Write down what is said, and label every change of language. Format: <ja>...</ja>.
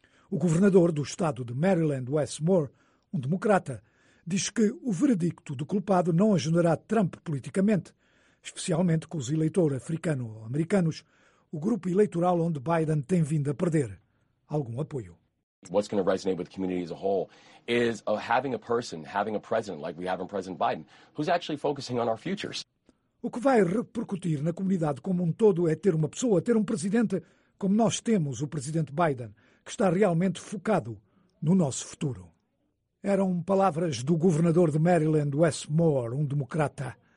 <pt>O governador do estado de Maryland, Wes Moore, um democrata, diz que o veredicto do culpado não ajudará Trump politicamente, especialmente com os eleitores africano-americanos, o grupo eleitoral onde Biden tem vindo a perder algum apoio.</pt> <en>What's going to resonate with the community as a whole is having a person, having a president like we have in President Biden, who's actually focusing on our futures.</en> <pt>O que vai repercutir na comunidade como um todo é ter uma pessoa, ter um presidente como nós temos, o presidente Biden, que está realmente focado no nosso futuro. Eram palavras do governador de Maryland, Wes Moore, um democrata.</pt>